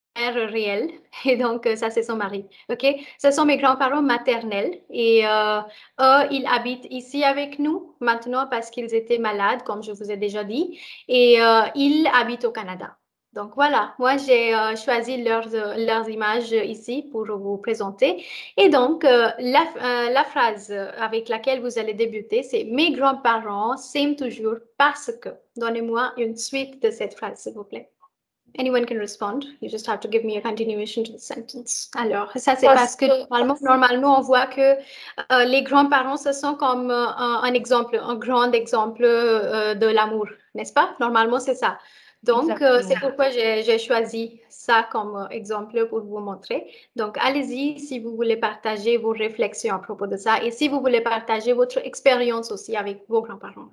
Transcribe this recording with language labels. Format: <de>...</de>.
<fr>Réel et donc ça c'est son mari, ok, ce sont mes grands-parents maternels et eux ils habitent ici avec nous maintenant parce qu'ils étaient malades comme je vous ai déjà dit et ils habitent au Canada, donc voilà, moi j'ai choisi leurs images ici pour vous présenter et donc la phrase avec laquelle vous allez débuter c'est mes grands-parents s'aiment toujours parce que, donnez-moi une suite de cette phrase s'il vous plaît.</fr> <en>Anyone can respond. You just have to give me a continuation to the sentence.</en> <fr>Alors, ça, c'est parce que normalement, on voit que les grands-parents, ce sont comme un exemple, un grand exemple de l'amour, n'est-ce pas? Normalement, c'est ça. Donc, c'est pourquoi j'ai choisi ça comme exemple pour vous montrer. Donc, allez-y si vous voulez partager vos réflexions à propos de ça et si vous voulez partager votre expérience aussi avec vos grands-parents.</fr>